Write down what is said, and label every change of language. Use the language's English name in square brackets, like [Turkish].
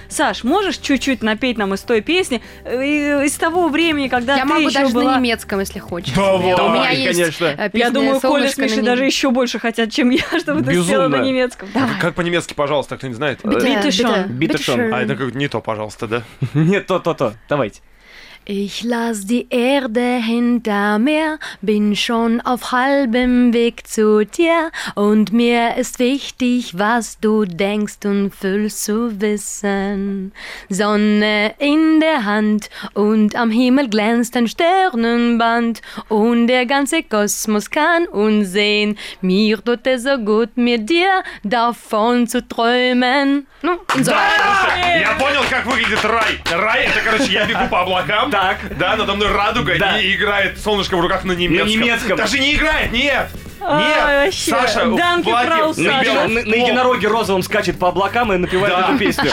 [Russian] Саш, можешь чуть-чуть напеть нам из той песни, из того времени, когда я ты могу еще даже была... на немецком, если хочешь. Давай, у меня конечно. Есть песня, я думаю, Коля с Мишей даже еще больше хотят, чем я, чтобы ты сделала на немецком. Давай. Как по-немецки, пожалуйста, кто не знает? Битэшон. Битэшон. А это как не то, пожалуйста, да? Нет, то-то-то. Давайте. [German] Ich lass die Erde hinter mir, bin schon auf halbem Weg zu dir und mir ist wichtig, was du denkst und fühlst zu wissen. Sonne in der Hand und am Himmel glänzt ein Sternenband und der ganze Kosmos kann uns sehen. Mir tut es so gut, mit dir davon zu träumen. [Russian] Ну, да! Я понял, как выглядит рай. Рай, это, короче, я бегу по облакам. Так. Да, надо мной радуга, да. И играет «Солнышко в руках» на немецком. На немецком. Даже не играет, нет. Вообще. Саша, Данки Крал, Саша. На единороге розовым скачет по облакам и напевает эту песню.